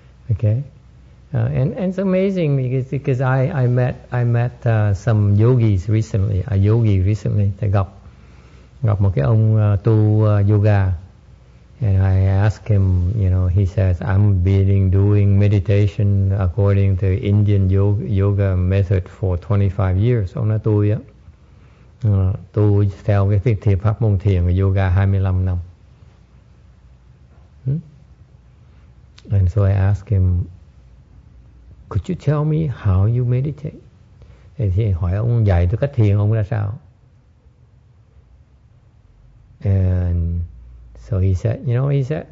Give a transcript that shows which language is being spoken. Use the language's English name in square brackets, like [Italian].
[English] Okay, and it's amazing because I met some yogis recently. A yogi recently, I [Vietnamese] gặp một cái ông tu yoga, [English] and I asked him. You know, he says I'm doing meditation according to Indian yoga method for 25 years. [Vietnamese] Ông nói tôi á, tu theo cái thiền pháp môn thiền yoga 25 năm. [English] And so I asked him, could you tell me how you meditate? [Vietnamese] Thì hỏi ông dạy tôi cách thiền ông ra sao? [English] And so he said, you know what he said?